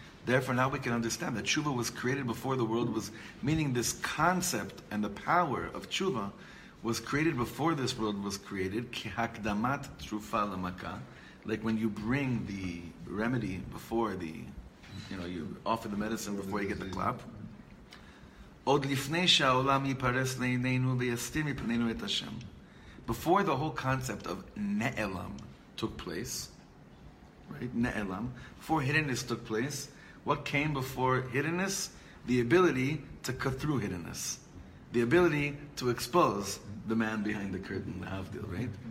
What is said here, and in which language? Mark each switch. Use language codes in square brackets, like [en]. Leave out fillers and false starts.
[en] Therefore, now we can understand that tshuva was created before the world was. Meaning, this concept and the power of tshuva was created before this world was created. [he] Kehakdamat tshuva lamaka, [en] like when you bring the remedy before the, you know, you offer the medicine before you get the clap. [he] עוד לפני שהעולם ייפרס לעינינו ויסתיר מפנינו את השם. [en] Before the whole concept of ne'elam took place, right? Ne'elam, before hiddenness took place, what came before hiddenness? The ability to cut through hiddenness. The ability to expose the man behind the curtain, the avdil, right?